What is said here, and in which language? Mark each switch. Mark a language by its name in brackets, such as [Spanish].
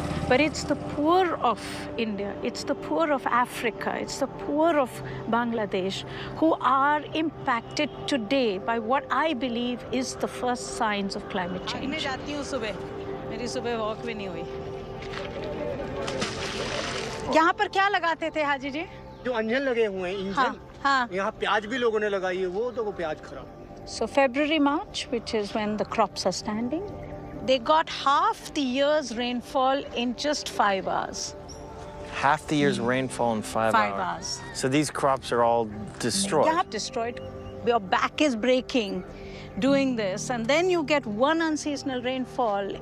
[English] But it's the poor of India, it's the poor of Africa, it's the poor of Bangladesh who are impacted today by what I believe is the first signs of climate change. [Hindi] यहाँ पर क्या लगाते थे हाजी जी? जो अंजन लगे हुए हैं engine. हाँ हाँ. यहाँ प्याज भी लोगों ने लगाई है, वो तो वो प्याज खराब. [English] So February March, which is when the crops are standing, they got half the year's rainfall in just 5 hours. Half the year's rainfall in five hours. So these crops are all destroyed. Yeah, destroyed. Your back is breaking doing this, and then you get one unseasonal rainfall.